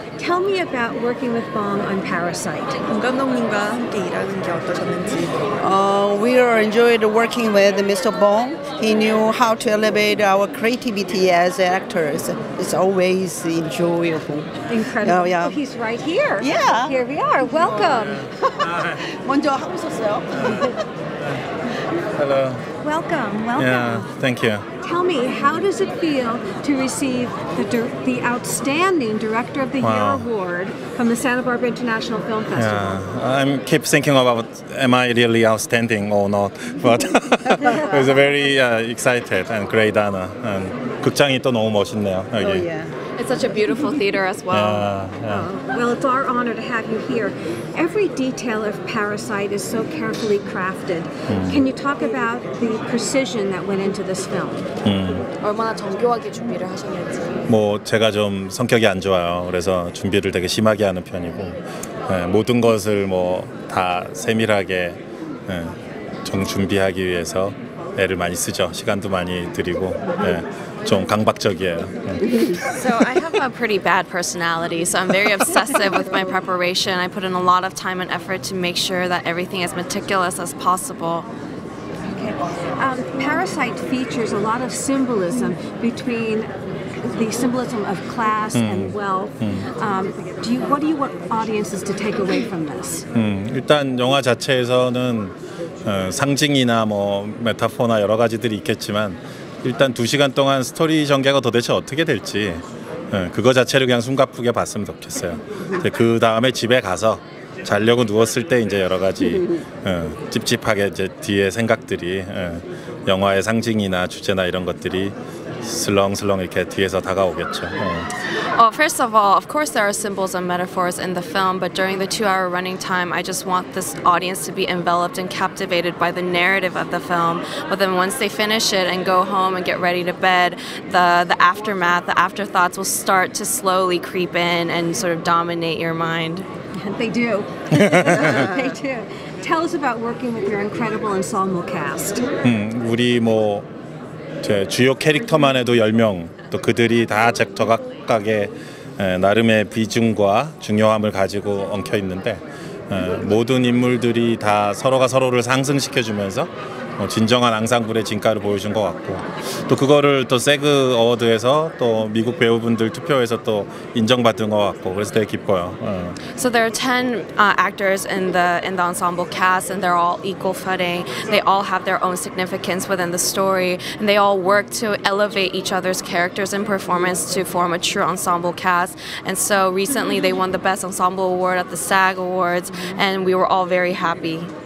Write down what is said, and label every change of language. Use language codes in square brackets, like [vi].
[en] Tell me about working with Bong on Parasite. [ko] 봉 감독님과 함께 일하는 게 어떠셨는지. [en] We are enjoyed working with Mr. Bong. He knew how to elevate our creativity as actors. It's always enjoyable. Incredible. Oh, yeah. Oh, he's right here. Yeah. Here we are. Welcome. [ko] Oh, 먼저 하고 있었어요. [en] Hello. Welcome, welcome. Yeah, thank you. Tell me, how does it feel to receive the Outstanding Director of the Year Award from the Santa Barbara International Film Festival? Yeah, I keep thinking about, am I really outstanding or not? But it was very excited and great honor. [ko] And 극장이 또 너무 멋있네요, 여기. [en] Oh, yeah. It's such a beautiful theater as well. Yeah, yeah. Well, it's our honor to have you here. Every detail of Parasite is so carefully crafted. Mm. Can you talk about the precision that went into this film? [ko] 얼마나 정교하게 준비를 하셨는지. 뭐 제가 좀 성격이 안 좋아요. 그래서 준비를 되게 심하게 하는 편이고 네, 모든 것을 뭐 다 세밀하게 네, 정 준비하기 위해서 애를 많이 쓰죠. 시간도 많이 드리고. 네. 좀 강박적이에요. [en] So I have a pretty bad personality, so I'm very obsessive with my preparation. I put in a lot of time and effort to make sure that everything is meticulous as possible. Okay. Parasite features a lot of symbolism between the symbolism of class and wealth. What do you want audiences to take away from this? [ko] 일단 영화 자체에서는 상징이나 뭐 메타포나 여러 가지들이 있겠지만 일단 두 시간 동안 스토리 전개가 도대체 어떻게 될지 그거 자체를 그냥 숨가쁘게 봤으면 좋겠어요. 그 다음에 집에 가서 자려고 누웠을 때 이제 여러 가지 찝찝하게 이제 뒤에 생각들이 영화의 상징이나 주제나 이런 것들이 슬렁슬렁 이렇게 뒤에서 다가오겠죠. [en] Well, first of all, of course there are symbols and metaphors in the film, but during the two-hour running time, I just want this audience to be enveloped and captivated by the narrative of the film. But then once they finish it and go home and get ready to bed, the aftermath, the afterthoughts will start to slowly creep in and sort of dominate your mind. They do. They do. Tell us about working with your incredible ensemble cast. [ko] 우리 뭐 제 주요 캐릭터만 해도 10명, 또 그들이 다 각각의 나름의 비중과 중요함을 가지고 엉켜 있는데 모든 인물들이 다 서로가 서로를 상승시켜주면서 진정한 앙상블의 진가를 보여준 것 같고 또 그거를 또 SAG 어워드에서 또 미국 배우분들 투표에서 또 인정받은 것 같고 그래서 되게 기뻐요. [en] So there are 10 actors in the ensemble cast and they're all equal footing. They all have their own significance within the story and they all work to elevate each other's characters and performance to form a true ensemble cast. And so recently they won the best ensemble award at the SAG Awards and we were all very happy.